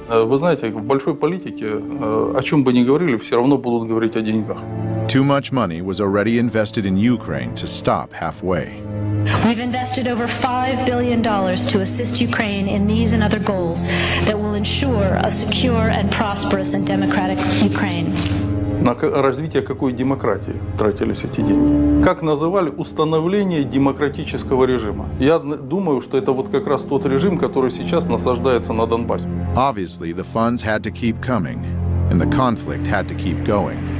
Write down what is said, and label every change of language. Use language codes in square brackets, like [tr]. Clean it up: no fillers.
[uk] Ви знаєте, в великій політиці, о чому би не говорили, все одно будуть говорити о деньгах. [en] Too much money was already invested in Ukraine to stop halfway. We've invested over $5 billion to assist Ukraine in these and other goals that will ensure a secure and prosperous and democratic Ukraine. [ru] На развитие какой демократии тратились эти деньги? Как называли установление демократического режима? Я думаю, что это вот как раз тот режим, который сейчас насаждается на Донбассе. [en] Obviously, the funds had to keep coming, and the conflict had to keep going.